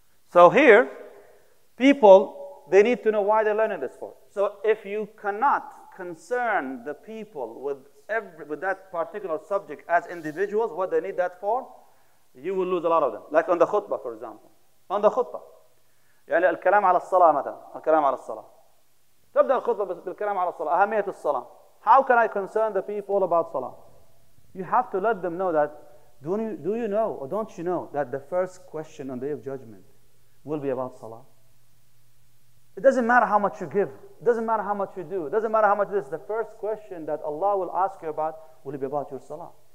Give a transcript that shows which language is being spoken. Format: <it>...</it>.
<en>So here, people, they need to know why they're learning this for. So if you cannot concern the people with that particular subject as individuals, what they need that for, you will lose a lot of them. Like on the khutbah, for example. On the khutbah.</en> <ar>يعني الكلام على الصلاة مثلا. الكلام على الصلاة. تبدأ الخطبة بالكلام على الصلاة. أهمية الصلاة.</ar> <en>How can I concern the people about Salah? You have to let them know that, do you know or don't you know that the first question on the Day of Judgment will be about Salah? It doesn't matter how much you give. It doesn't matter how much you do. It doesn't matter how much this. The first question that Allah will ask you about will be about your Salah.</en>